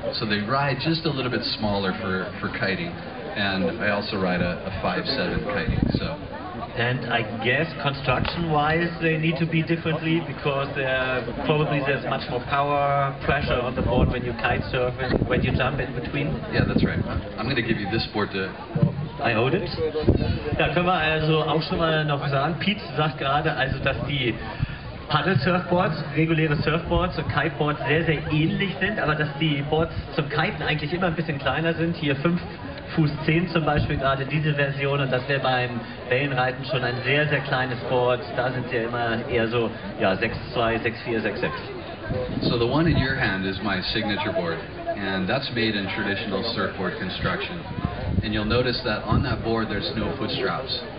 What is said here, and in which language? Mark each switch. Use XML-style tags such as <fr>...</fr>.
<en>So they ride just a little bit smaller for kiting. And I also ride a 5'7 kiting, so. And I guess construction-wise, they need to be differently, because probably there's much more power, pressure on the board when you kite surf and when you jump in between. Yeah, that's right. I'm going to give you this board to... I hold it.</en> <de>Ja, können wir also auch schon mal noch sagen. Pete sagt gerade also, dass die Paddle-Surfboards, reguläre Surfboards und Kiteboards sehr, sehr ähnlich sind, aber dass die Boards zum Kiten eigentlich immer ein bisschen kleiner sind. Hier 5 Fuß 10 zum Beispiel gerade diese Version, und das wäre beim Wellenreiten schon ein sehr, sehr kleines Board. Da sind sie ja immer eher so, ja, 6-2, 6-4, 6-6.</de> <en>So the one in your hand is my signature board, and that's made in traditional surfboard construction. And you'll notice that on that board there's no foot straps.</en>